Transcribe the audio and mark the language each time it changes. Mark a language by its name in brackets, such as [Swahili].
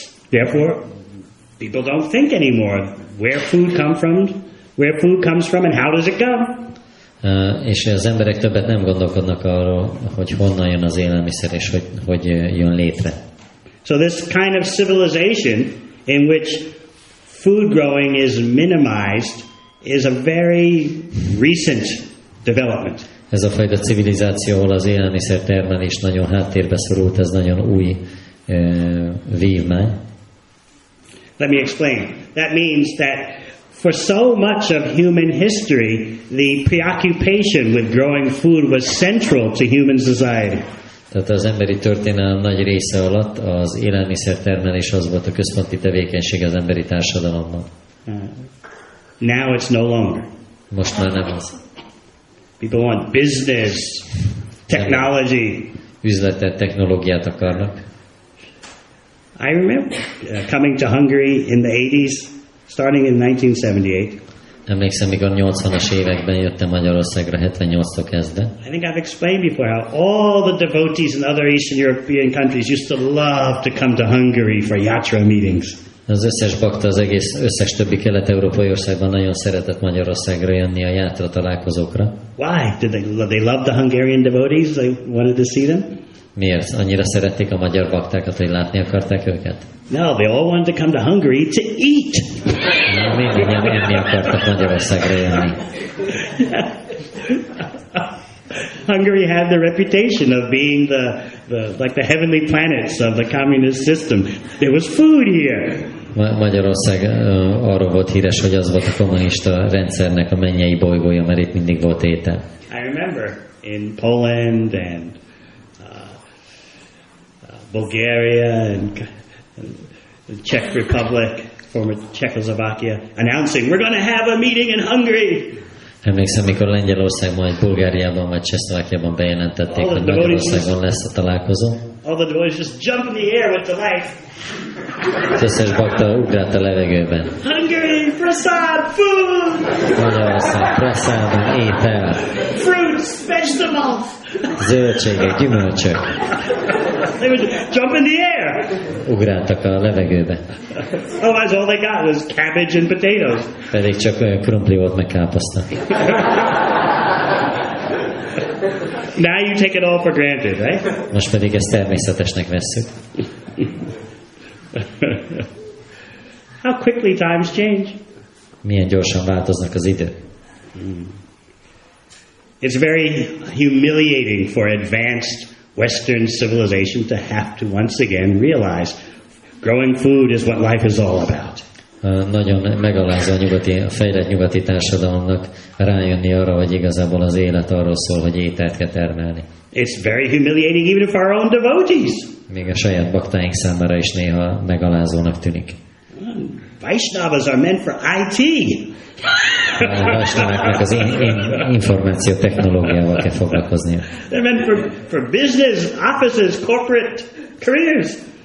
[English] Therefore, people don't think anymore where food comes from, where food comes from, and how does it come? [Hungarian] És az emberek többet nem gondolkodnak arról, hogy honnan jön az élelmiszer, és hogy jön létre. [English] So this kind of civilization in which food growing is minimized is a very recent development. [Hungarian] Ez a fajta civilizáció, ahol az élelmiszer termelés nagyon háttérbe szorult, ez nagyon új vívmány. [English] Let me explain. That means that for so much of human history, the preoccupation with growing food was central to human society. [Hungarian] Tehát az emberi történelem nagy része alatt az élelmiszertermelés az volt a központi tevékenység az emberi társadalomban. [English] Now it's no longer. [Hungarian] Most már nem az. [English] People want business, technology. [Hungarian] Üzletet, technológiát akarnak. [English] I remember coming to Hungary in the 80s, starting in 1978. [Hungarian] Emlékszem, mikor 80-as években jöttem Magyarországra, 78-tól kezdve. [English] I think I've explained before how all the devotees in other Eastern European countries used to love to come to Hungary for yatra meetings. [Hungarian] Az összes bakta az egész összes többi kelet-európai országban nagyon szeretett Magyarországra jönni a yatra találkozókra. [English] Why? Did they love the Hungarian devotees? They wanted to see them? [Hungarian] Miért? Annyira szerették a magyar baktákat, hogy látni akarták őket? [English] No, they all wanted to come to Hungary to eat. [Hungarian] Na, mindannyian enni akartak Magyarországra jönni. [English] Hungary had the reputation of being the like the heavenly planets of the communist system. There was food here. [Hungarian] Magyarország arról volt híres, hogy az volt a kommunista rendszernek a mennyei bolygója, mert itt mindig volt étel. [English] I remember in Poland and Bulgaria and Czech Republic, former Czechoslovakia, announcing, we're going to have a meeting in Hungary. [Hungarian] Emlékszem, mikor Lengyelországban, vagy Bulgáriában, vagy Csehszlovákiában bejelentették, hogy Magyarországon lesz a találkozó. [English] All the devotees just jump in the air with delight. [Hungarian] Összes bakta ugrált a levegőben. [English] Hungary, prasad, food! [Hungarian] Magyarország, prasad, étel. [English] Fruits, vegetables. [Hungarian] Zöldségek, gyümölcsök. [English] They would jump in the air. [Hungarian] Ugráltak a levegőbe. [English] Otherwise all they got was cabbage and potatoes. [Hungarian] Pedig csak krumpli volt meg káposzta. [English] Now you take it all for granted, right? [Hungarian] Most pedig ezt természetesnek vesszük. [English] How quickly times change. [Hungarian] Milyen gyorsan változnak az idő. [English] It's very humiliating for advanced Western civilization to have to once again realize growing food is what life is all about. [Hungarian] Nagyon megalázó a fejlett nyugati társadalomnak rájönni arra, hogy igazából az élet arról szól, hogy ételt kell termelni. [English] It's very humiliating even for our own devotees. [Hungarian] Még a saját baktáink számára is néha megalázónak tűnik. [English] Vaishnavas are meant for IT. [Hungarian] Vaishnavaknak az információ technológiával kell foglalkoznia. [English] They're meant for business, offices, corporate careers.